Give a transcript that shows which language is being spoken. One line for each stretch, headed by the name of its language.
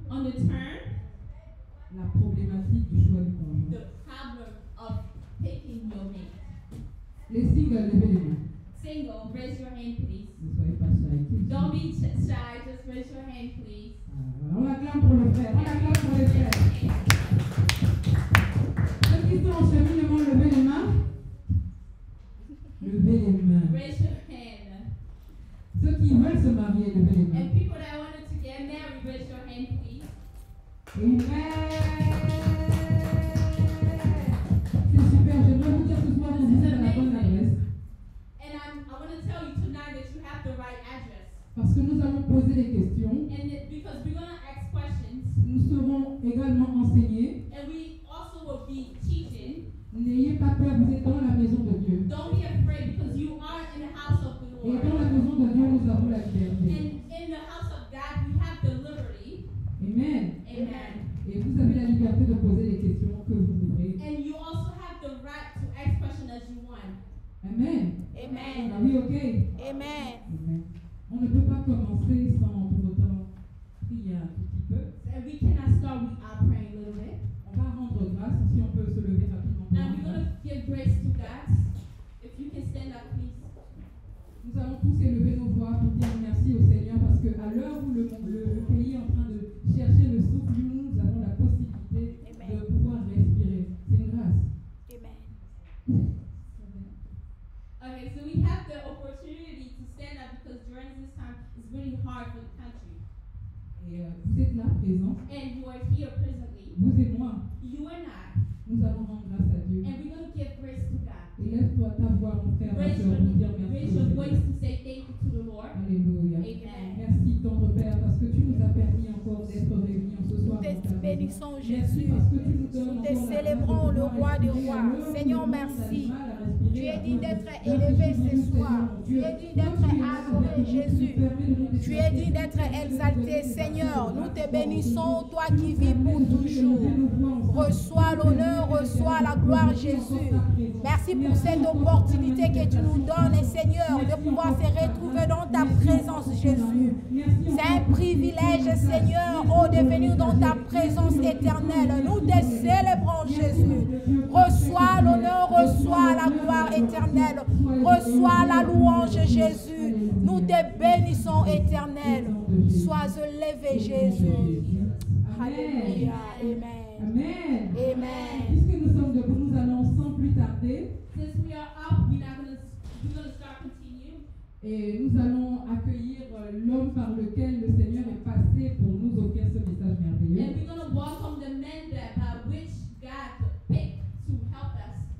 English: on the term,
French: la problématique du choix du conjoint.
English: The problem of picking your mate.
French: Les singles, levez les mains.
English: Single, raise your hand, please.
French: Ne soyez pas shy.
English: Don't be shy, just raise your hand, please.
French: On acclame pour le frère. On acclame pour les frères. Ceux qui sont en chemin, ils vont lever les mains. Levez les mains.
English: Raise your hand.
French: Ceux qui veulent se marier, levez les mains.
English: And people that wanted to get married, raise your hand, please.
French: Amen. C'est super. Je dois vous dire ce soir, vous êtes à la bonne adresse.
English: And I want to tell you tonight that you have the right address.
French: Parce que nous allons poser des questions.
English: And because we're going to ask questions.
French: Nous serons également enseignés.
English: And we also will be teaching.
French: N'ayez pas peur, vous êtes dans la maison de Dieu.
English: Don't be afraid because you are in the house of the Lord.
French: Et dans la maison de Dieu, nous avons la liberté.
English: And in the house of God, we have the liberty. Amen. Amen.
French: Et vous avez la liberté de poser les questions que vous voudrez.
English: And you also have the right to ask questions as you want. Amen. Amen.
French: Oui, ok. Amen. Amen. On ne peut pas commencer sans pour autant prier un petit peu.
English: And we cannot start without praying a little bit.
French: On va rendre grâce si on peut se lever rapidement.
English: Now we're going to give grace to God. If you can stand up, please.
French: Nous allons tous élever nos voix pour dire merci au Seigneur parce que à l'heure où le pays est en train de chercher le souffle, nous avons la possibilité Amen. De pouvoir respirer. C'est une grâce. Amen.
English: Okay, so we have the opportunity to stand up because during this time it's really hard for the country.
French: Vous êtes là présent.
English: And you are here presently.
French: Vous et moi.
English: You and I.
French: Nous allons rendre grâce à Dieu.
English: And we're going to give grace to God.
French: Lève-toi ta voix, mon père,
English: raise
French: soeur,
English: your,
French: dire merci
English: raise your voice to say thank you to the Lord. Alléluia. Amen.
French: Merci, tendre père, parce que tu nous as permis encore d'être réunis ce soir. Nous bénissons Jésus. Nous te célébrons, le roi des rois. Seigneur, merci. Tu es digne d'être élevé ce soir. Tu es digne d'être adoré, Jésus. Tu es digne d'être exalté, Seigneur. Nous te bénissons, toi qui vis pour toujours. Reçois l'honneur, reçois la gloire, Jésus. Merci pour cette opportunité que tu nous donnes, Seigneur, de pouvoir se retrouver dans ta présence, Jésus. C'est un privilège, Seigneur, oh, de venir dans ta présence éternelle. Nous te célébrons, Jésus. Reçois l'honneur, reçois la gloire éternelle. Reçois la louange, Jésus. Nous te bénissons, éternel. Sois élevé, Jésus. Alléluia. Amen. Amen. Amen. Puisque nous sommes debout, nous allons sans plus tarder.
English: Since we are up, we're gonna start continuing.
French: Et nous allons accueillir l'homme par lequel le Seigneur est passé pour nous offrir ce message merveilleux.
English: And we're gonna welcome the man that by which God picked to help us.